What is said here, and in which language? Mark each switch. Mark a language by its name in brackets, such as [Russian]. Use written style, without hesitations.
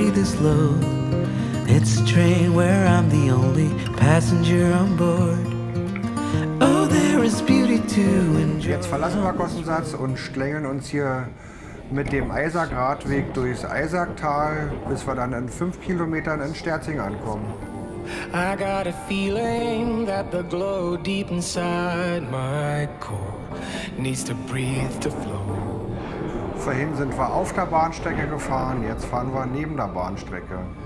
[English] It's a train where I'm the only passenger on board. Oh, there is beauty to enjoy. [German] Jetzt verlassen wir Gossensass und schlängeln uns hier mit dem Eisackradweg durchs Eisacktal, bis wir dann in 5 Kilometern in Sterzing ankommen. [English] I got a feeling that the glow deep inside my core needs to breathe to flow. [German] Vorhin sind wir auf der Bahnstrecke gefahren, jetzt fahren wir neben der Bahnstrecke.